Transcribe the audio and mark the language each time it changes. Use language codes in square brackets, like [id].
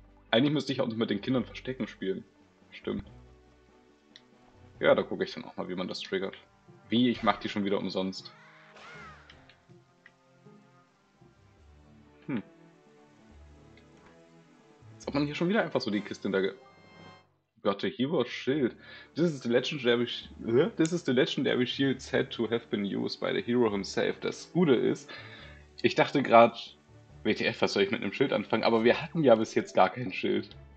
[de] Eigentlich müsste ich auch noch mit den Kindern Verstecken spielen. Stimmt. Ja, da gucke ich dann auch mal, wie man das triggert. Wie, ich mache die schon wieder umsonst. Als ob man hier schon wieder einfach so die Kiste in der... Gott, hier war Schild. [en] This is the legendary shield said to have been used by the hero himself. [de] Das Gute ist, ich dachte gerade, WTF, was soll ich mit einem Schild anfangen? Aber wir hatten ja bis jetzt gar kein Schild.